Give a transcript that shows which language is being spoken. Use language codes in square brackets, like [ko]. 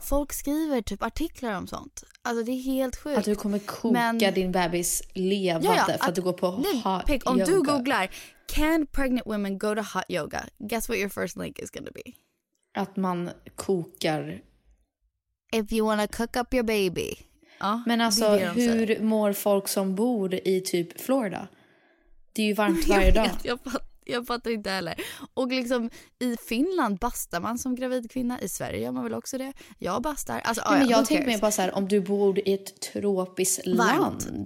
[sv] Folk skriver typ artiklar om sånt. Alltså det är helt sjukt. Att du kommer koka din bebis levande för att du går på hot yoga. Om du googlar... [en] Can pregnant women go to hot yoga? Guess what your first link is going to be. [sv] Att man kokar. [en] If you want to cook up your baby. [sv] Men alltså, hur mår folk som bor i typ Florida? Det är ju varmt varje dag. Jag vet, Jag fattar inte heller. Och liksom i Finland bastar man som gravid kvinna. I Sverige gör man väl också det. Jag bastar. Alltså, nej, men jag tänker mig bara så här, om du bor i ett tropiskt land.